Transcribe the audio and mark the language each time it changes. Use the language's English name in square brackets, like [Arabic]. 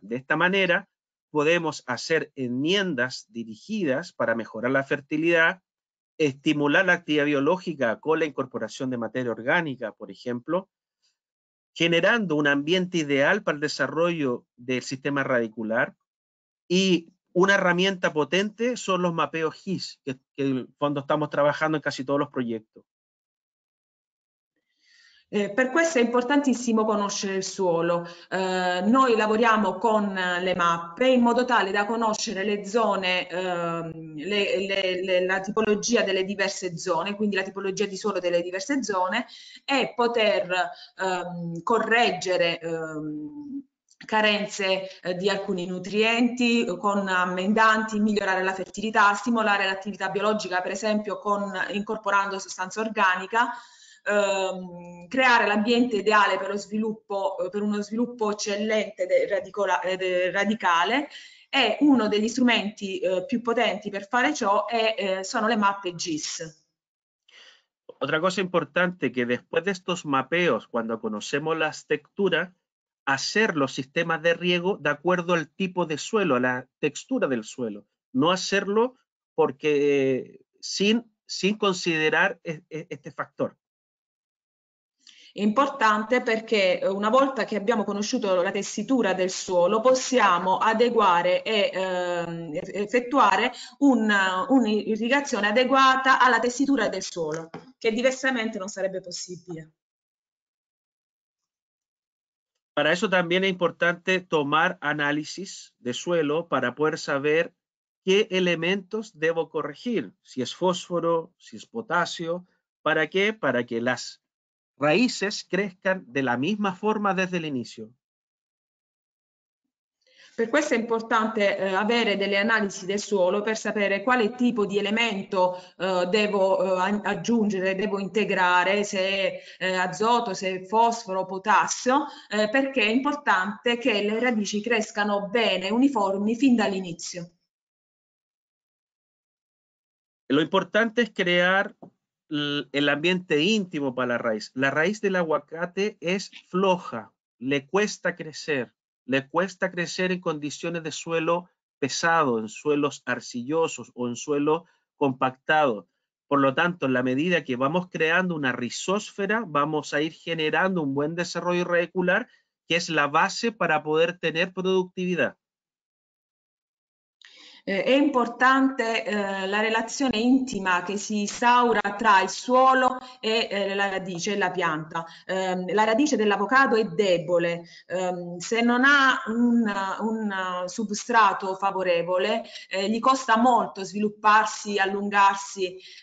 [Spanish] De esta manera, podemos hacer enmiendas dirigidas para mejorar la fertilidad, estimular la actividad biológica con la incorporación de materia orgánica, por ejemplo, generando un ambiente ideal para el desarrollo del sistema radicular. Y una herramienta potente son los mapeos GIS, que en el fondo estamos trabajando en casi todos los proyectos. [Italian] Per questo è importantissimo conoscere il suolo. Noi lavoriamo con le mappe in modo tale da conoscere le zone, la tipologia delle diverse zone, quindi la tipologia di suolo delle diverse zone, e poter correggere carenze di alcuni nutrienti con ammendanti, migliorare la fertilità, stimolare l'attività biologica, per esempio incorporando sostanza organica. Creare l'ambiente ideale per lo sviluppo, per uno sviluppo eccellente radicale, e uno degli strumenti più potenti per fare ciò sono le mappe GIS. [Spanish] Otra cosa importante che después de estos mapeos, cuando conocemos la textura, hacer los sistemas de riego de acuerdo al tipo de suelo, a la textura del suelo, no hacerlo porque sin considerar este factor. [Italian] È importante perché una volta che abbiamo conosciuto la tessitura del suolo possiamo adeguare e effettuare un'irrigazione adeguata alla tessitura del suolo, che diversamente non sarebbe possibile. [Spanish] Para eso también es importante tomar análisis de suelo para poder saber qué elementos debo corregir, si es fósforo, si es potasio, ¿para qué? Para que las raíces crezcan de la misma forma desde el inicio. [Italian] Per questo è importante avere delle analisi del suolo per sapere quale tipo di elemento devo integrare, se azoto, se fosforo, potassio, perché è importante che le radici crescano bene, uniformi fin dall'inizio. [Spanish] Lo importante [Italian] è creare [Spanish] el ambiente íntimo para la raíz. La raíz del aguacate es floja, le cuesta crecer en condiciones de suelo pesado, en suelos arcillosos o en suelo compactado. Por lo tanto, en la medida que vamos creando una rizósfera, vamos a ir generando un buen desarrollo radicular, que es la base para poder tener productividad. [Italian] È importante la relazione intima che si instaura tra il suolo e la radice, la pianta. La radice dell'avocado è debole. Se non ha un substrato favorevole, gli costa molto svilupparsi, allungarsi.